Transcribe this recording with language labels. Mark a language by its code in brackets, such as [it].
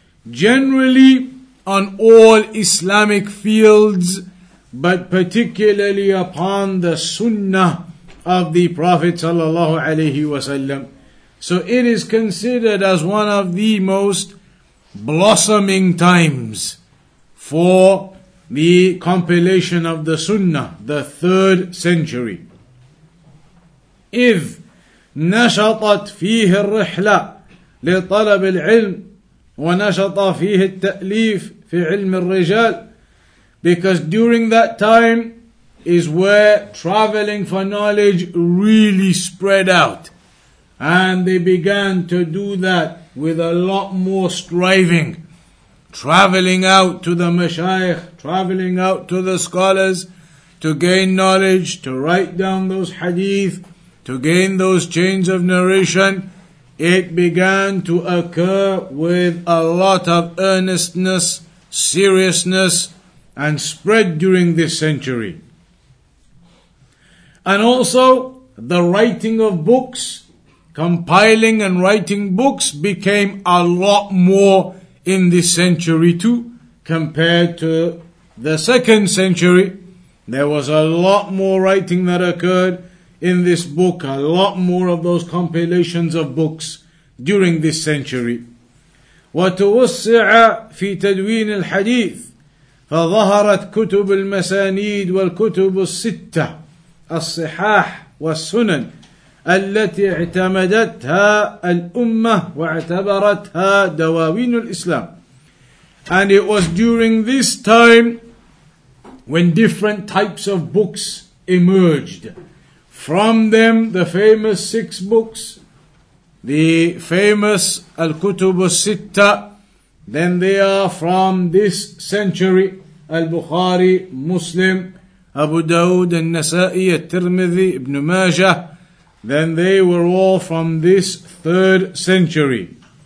[en] Generally, on all Islamic fields, but particularly upon the Sunnah of the Prophet [ar] sallallahu alaihi wasallam. [en] So it is considered as one of the most blossoming times for the compilation of the Sunnah, the third century. [ar] إذ نشطت فيه الرحلة لطلب العلم ونشط فيه التأليف في علم الرجال. [en] Because during that time is where traveling for knowledge really spread out, and they began to do that with a lot more striving, traveling out to the mashayikh, traveling out to the scholars to gain knowledge, to write down those hadith, to gain those chains of narration. It began to occur with a lot of earnestness, seriousness, and spread during this century. And also, the writing of books, compiling and writing books, became a lot more in this century too, compared to the second century. There was a lot more writing that occurred in this book, a lot more of those compilations of books during this century. [ar] وَتُوَسِّعَ فِي تَدْوِينِ الْحَدِيثِ فَظَهَرَتْ كُتُبُ الْمَسَانِيدِ وَالْكُتُبُ السِّتَّةِ الصِّحَاحِ وَالسُّنَنِ التي اعتمدتها الأمة واعتبرتها دواوين الإسلام. [en] And it was during this time when different types of books emerged. From them, the famous six books, the famous Al-Kutub al-Sitta, then they are from this century, Al-Bukhari, Muslim, Abu Dawud, An-Nasāee, Tirmidhi, Ibn Mājah, then they were all from this third century.